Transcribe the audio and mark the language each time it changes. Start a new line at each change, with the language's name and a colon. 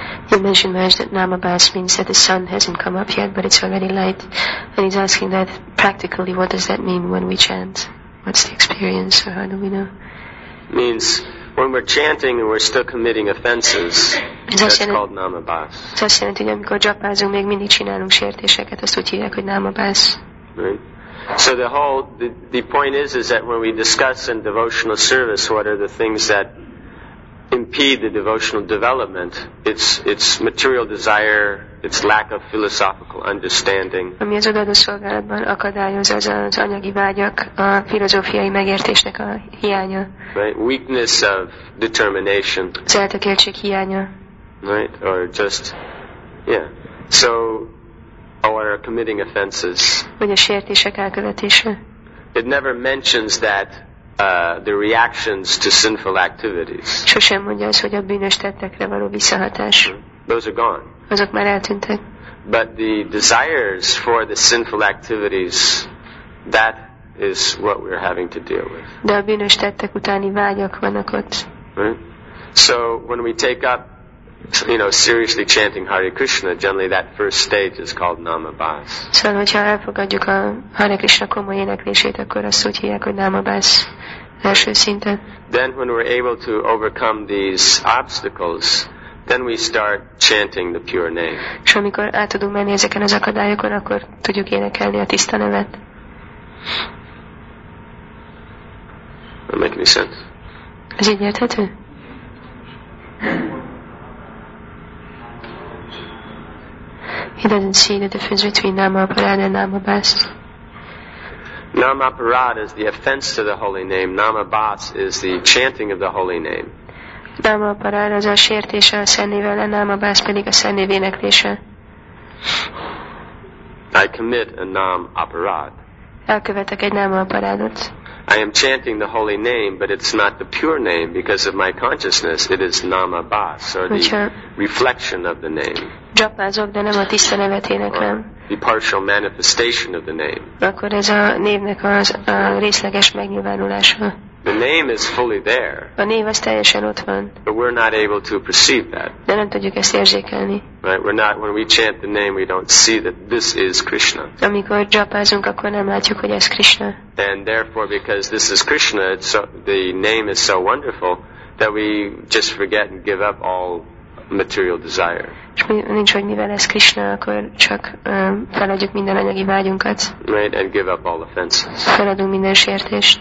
English: Mentioned Maharaj that Namabhas means that the sun hasn't come up yet, but it's already light. And he's asking that practically, what does that mean when we chant? What's the experience, or how do we know? Means when we're chanting and we're still committing offenses, that's called Namabhas.
Hungarian: Amikor japázunk, még mindig csinálunk sértéseket, azt úgy hívják, hogy Namabhas.
English: So the point is that when we discuss in devotional service, what are the things that impede the devotional development, it's material desire, it's lack of philosophical understanding.
Hungarian: Ami az odaadó szolgálatban akadályoz, az az anyagi vágyak, a filozófiai megértésnek a hiánya.
English: Right? Weakness of determination.
Hungarian: Az eltökéltség hiánya.
English: Right? Or just, yeah. So, or committing offenses.
Hungarian: Vagy a sértések elkövetése.
English: It never mentions that the reactions to sinful activities.
Hungarian: Sosem mondja az, hogy a bűnös tettekre való visszahatás.
English: Those are gone.
Hungarian: Azok már eltűntek.
English: But the desires for the sinful activities, that is what we're having to deal with.
Hungarian: De a bűnös tettek utáni vágyak vannak ott.
English: So when we take up, you know, seriously chanting Hare Krishna, generally that first stage is called Namabhas.
Hungarian: Szóval, hogyha elfogadjuk a Hare Krishna komoly éneklését, akkor azt úgy hívják, hogy Namabhas első szinten.
English: Then when we're able to overcome these obstacles, then we start chanting the pure name.
Hungarian: És amikor át tudunk menni ezeken az akadályokon, akkor tudjuk énekelni a tiszta nevet.
English: That make any sense?
Hungarian: Ez így érthető?
English: He doesn't see the difference between Namaparada and Namabhas. Namaparada is the offense to the holy name. Namabhas is the chanting of the holy name.
Hungarian: Namaparada az a sértése a szennévvel, a Namabhas pedig a szennév éneklése.
English: I commit a Namaparada.
Hungarian: Elkövetek egy Namaparadot.
English: I am chanting the holy name, but it's not the pure name because of my consciousness. It is Namabhas, or the reflection of the name.
Hungarian: gyapázok, de nem a tiszta nevet éneklem.
English: The partial manifestation of the name.
Hungarian: Akkor ez a névnek az a részleges megnyilvánulása.
English: The name is fully there.
Hungarian: A név az teljesen ott van.
English: But we're not able to perceive that. De nem tudjuk ezt érzékelni. Right? We're not, when we chant the name, we don't see that this is Krishna.
Hungarian: Amikor japázunk, akkor nem látjuk, hogy ez Krishna.
English: And therefore, because this is Krishna, it's so, the name is so wonderful that we just forget and give up all material desire.
Hungarian: És nincs, hogy mivel ez Krishna, akkor csak feladjuk minden anyagi vágyunkat.
English: Right? And give up all offenses.
Hungarian: Feladunk minden sértést.